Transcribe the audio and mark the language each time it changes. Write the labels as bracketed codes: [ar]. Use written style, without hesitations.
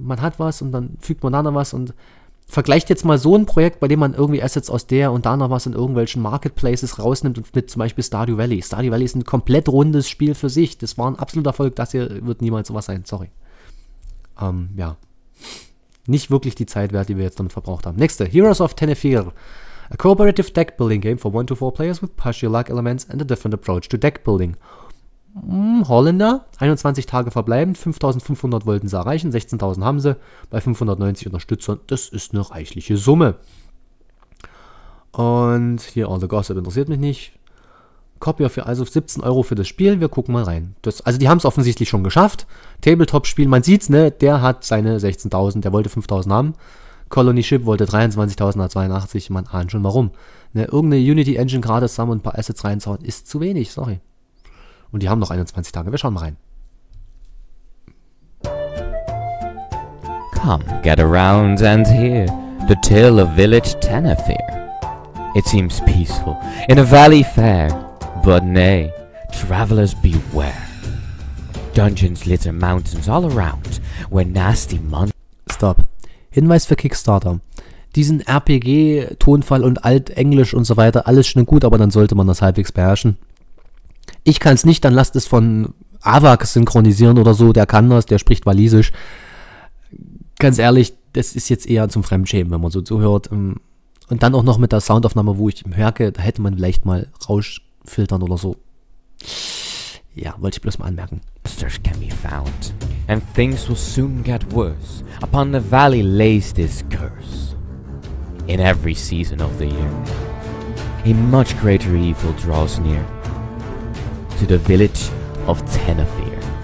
[de] Man hat was und dann fügt man da noch was und vergleicht jetzt mal so ein Projekt, bei dem man irgendwie Assets aus der und da noch was in irgendwelchen Marketplaces rausnimmt und mit zum Beispiel Stardew Valley. Stardew Valley ist ein komplett rundes Spiel für sich. Das war ein absoluter Erfolg. Das hier wird niemals sowas sein. Sorry. Ja. Nicht wirklich die Zeit wert, die wir jetzt damit verbraucht haben. Nächste. Heroes of Tenefir. [en] A cooperative deck building game for 1 to 4 players with partial luck elements and a different approach to deck building. [de] Holländer. 21 Tage verbleibend. 5500 wollten sie erreichen. 16.000 haben sie. Bei 590 Unterstützern. Das ist eine reichliche Summe. Und hier, [en] all the gossip [de] interessiert mich nicht. Copy für also 17 Euro für das Spiel, wir gucken mal rein. Das, also die haben es offensichtlich schon geschafft. Tabletop-Spiel, man sieht's, ne? Der hat seine 16.000, der wollte 5.000 haben. Colony Ship wollte 23.000, hat 82, man ahnt schon warum. Ne, irgendeine Unity-Engine gerade zusammen und ein paar Assets reinzauen, ist zu wenig, sorry. Und die haben noch 21 Tage, wir schauen mal rein. [en] Come, get around and hear the tale of Village Tenafir. It seems peaceful in a valley fair, but nay, travelers beware. Dungeons litter mountains all around, where nasty mon- [de] Stop. Hinweis für Kickstarter. Diesen RPG-Tonfall und Altenglisch und so weiter, alles schön und gut, aber dann sollte man das halbwegs beherrschen. Ich kann es nicht, dann lasst es von Avak synchronisieren oder so, der kann das, der spricht Walisisch. Ganz ehrlich, das ist jetzt eher zum Fremdschämen, wenn man so zuhört. Und dann auch noch mit der Soundaufnahme, wo ich merke, da hätte man vielleicht mal rausfiltern oder so. Ja, wollte ich bloß mal anmerken. [en] Monsters can be found, and things will soon get worse. Upon the valley lays this curse. In every season of the year, a much greater evil draws near to the village of Tenafir.